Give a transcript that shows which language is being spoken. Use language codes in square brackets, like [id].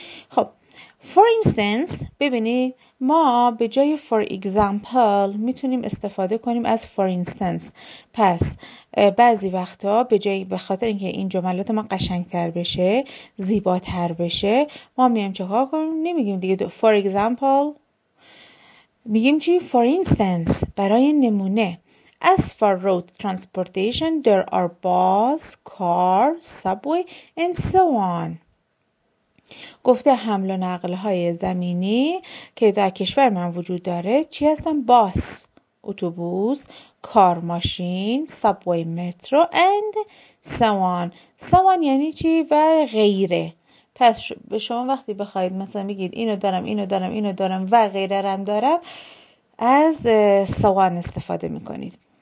[fa] خب for instance، ببینید ما به جای for example میتونیم استفاده کنیم از for instance. پس بعضی وقتا به جای، به خاطر اینکه این جملات ما قشنگتر بشه، زیباتر بشه، ما میایم چیکار کنیم، نمیگیم دیگه for example، میگیم چی for instance، برای نمونه. [en] As for road transportation, there are bus, car, subway, and so on. [fa] گفته حمل و نقل های زمینی که در کشور من وجود داره چی هستن؟ باس، اتوبوس، کار ماشین، سابوی مترو، [en] and so on. [fa] So on یعنی چی؟ و غیره. پس به شما وقتی بخواید مثلا بگید اینو دارم، اینو دارم، اینو دارم و غیره رم دارم، از so on استفاده میکنید.